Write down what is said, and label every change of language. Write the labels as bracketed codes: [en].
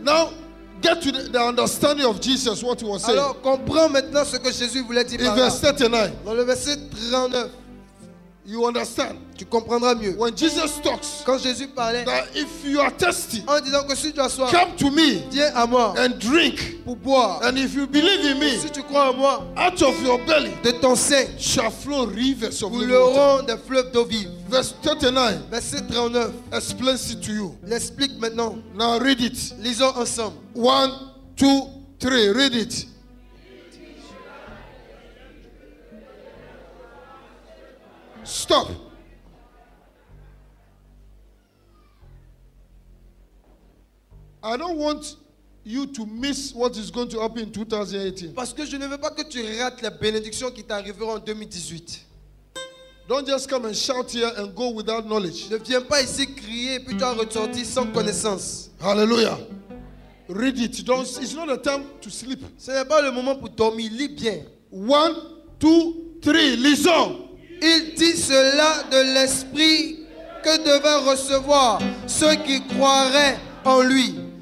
[en] Now, get to the understanding of Jesus, what he was saying. [fr] Alors, comprends maintenant ce que Jésus voulait dire. [en] In verse 39. [fr] Dans le verset 39. [en] You understand? [fr] Tu comprendras mieux. [en] When Jesus talks, [fr] quand Jésus parlait, [en] that if you are thirsty, [fr] en disant que si tu as soif, [en] come to me, [fr] viens à moi, [en] and drink, [fr] pour boire, [en] and if you believe in me, [fr] si tu crois en moi, [en] out of your belly, [fr] de ton sein, [en] shall flow rivers of [fr] water. Couleront des fleuves d'eau vive. [en] Verse 39. [fr] Verset 39. [en] Explains it to you. [fr] L'explique maintenant. [en] Now read it. [fr] Lisons ensemble. [en] 1, 2, 3. Read it. Stop. I don't want you to miss what is going to happen in 2018. [fr] Parce que je ne veux pas que tu rates les bénédictions qui t'arriveront en 2018. [en] Don't just come and shout here and go without knowledge. [fr] Ne viens pas ici crier puis tu vas ressortir sans connaissance. [en] Hallelujah. Read it. Don't, it's not a time to sleep. [fr] Ce n'est pas le moment pour dormir. Lis bien. 1, 2, 3. Lisons. Il dit cela de l'esprit que devaient recevoir ceux qui croiraient en lui.